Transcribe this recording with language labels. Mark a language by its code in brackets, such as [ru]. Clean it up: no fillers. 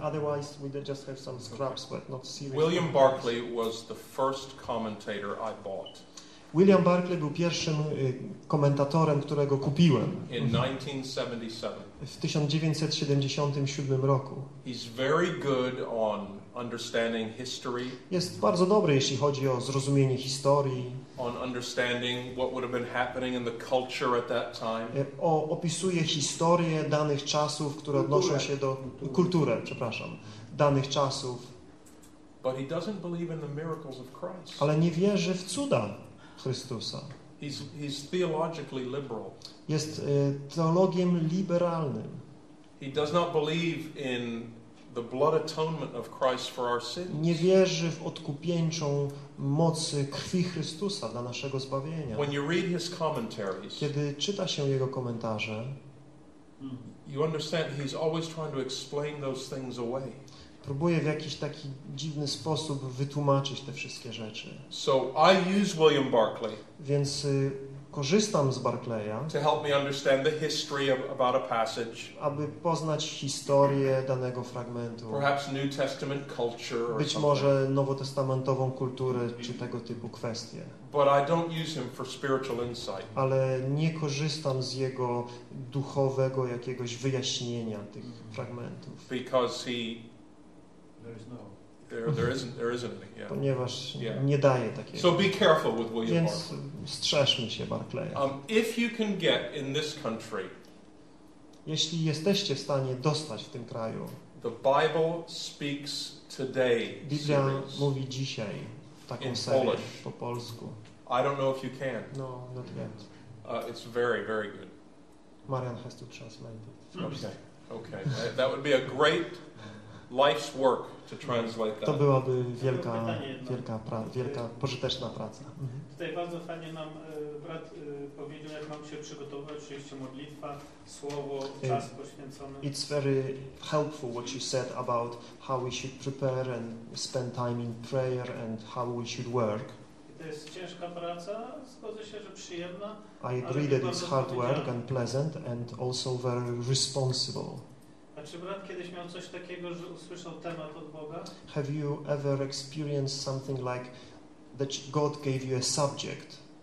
[en] Otherwise, we just have some scraps, but not serious. William Barclay was the first commentator I bought. [pl] William Barclay był pierwszym komentatorem, którego kupiłem. [en] In 1977. [pl] W 1977 roku. [en] He's very good on understanding history. [pl] Jest bardzo dobry, jeśli chodzi o zrozumienie historii. [en] On understanding what would have been happening in the culture at that time. [pl] Opisuje historię danych czasów, które odnoszą się do kultury, przepraszam, danych czasów. [en] But he doesn't believe in the miracles of Christ. [pl] Ale nie wierzy w cuda Chrystusa. [en] He's theologically liberal. [pl] Jest teologiem liberalnym. [en] He does not believe in the blood atonement of Christ for our sins. [pl] Nie wierzy w odkupieńczą mocy krwi Chrystusa dla naszego zbawienia. [en] When you read his commentaries, [pl] kiedy czyta się jego komentarze, [en] you understand he's always trying to explain those things away. [pl] Próbuje w jakiś taki dziwny sposób wytłumaczyć te wszystkie rzeczy. [en] So I use William Barclay. [pl] Więc korzystam z Barclaya, [en] to help me understand the history of, about a passage, [pl] aby poznać historię danego fragmentu, [en] perhaps New Testament culture, [pl] być może nowotestamentową kulturę czy tego typu kwestie. [en] But I don't use him for spiritual insight. [pl] Ale nie korzystam z jego duchowego jakiegoś wyjaśnienia tych fragmentów. [en] Because he there isn't any. [pl] Ponieważ nie daje takiego. [en] So be careful with William Barclay. [pl] Więc strzeżmy się Barclaya. [en] If you can get in this country, [pl] jeśli jesteście w stanie dostać w tym kraju, [en] the Bible speaks today. [pl] Biblia mówi dzisiaj. Taką [en] in [pl] serię, [en] Polish. [pl] Po polsku. [en] I don't know if you can. No, not yet. It's very, very good. Marian has to translate it. Okay. That would be a great life's work to translate that. [pl] To byłaby wielka, wielka pożyteczna praca. Tutaj bardzo fajnie nam brat powiedział, jak mam się przygotować, oczywiście modlitwa, słowo, czas poświęcony. [en] It's very helpful what you said about how we should prepare and spend time in prayer and how we should work. [pl] To jest ciężka praca, zgodzę się, że przyjemna. [en] I agree that it's hard work and pleasant and also very responsible. [pl] A czy brat kiedyś miał coś takiego, że usłyszał temat od Boga? [en] Have you ever experienced something like that God gave you a subject?